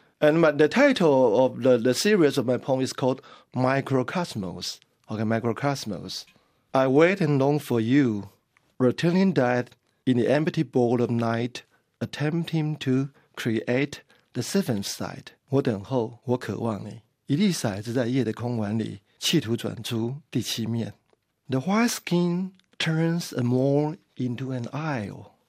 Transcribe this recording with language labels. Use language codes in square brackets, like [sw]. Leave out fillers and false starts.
[en] And the title of the series of my poem is called Microcosmos. Okay, Microcosmos. I wait and long for you, returning death in the empty bowl of night, attempting to create the seventh sight. [zh] 我等候,我渴望你. 一粒骰子在夜的空碗里, 企图转出第七面. [en] The white skin turns a mole into an isle.